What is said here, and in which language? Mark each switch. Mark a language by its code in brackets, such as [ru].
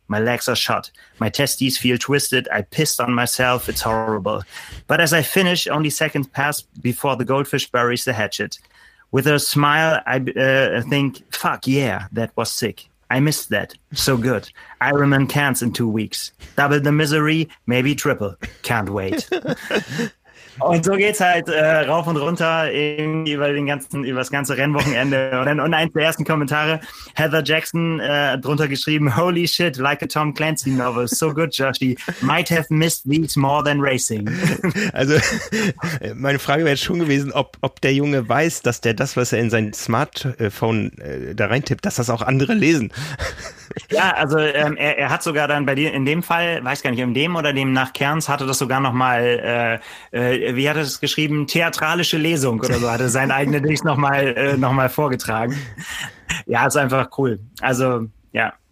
[en] My legs are shot. My testes feel twisted. I pissed on myself. It's horrible. But as I finish, only seconds pass before the goldfish buries the hatchet. With a smile, I think, fuck yeah, that was sick. I missed that. So good. Ironman cans in 2 weeks. Double the misery, maybe triple. Can't wait. [de] Und so geht's halt rauf und runter irgendwie über das ganze Rennwochenende. Und eins der ersten Kommentare, Heather Jackson drunter geschrieben, [en] holy shit, like a Tom Clancy novel, so good, Joshy. Might have missed these more than racing. [de] Also meine Frage wäre jetzt schon gewesen, ob der Junge weiß, dass der das, was er in sein Smartphone da reintippt, dass das auch andere lesen. Ja, also er hat sogar dann bei dir in dem Fall, weiß gar nicht, in dem oder dem nach Cairns, hatte das sogar nochmal, wie hat er es geschrieben, theatralische Lesung oder so, hatte sein eigenes Dings nochmal vorgetragen. Ja, ist einfach cool. Also ja,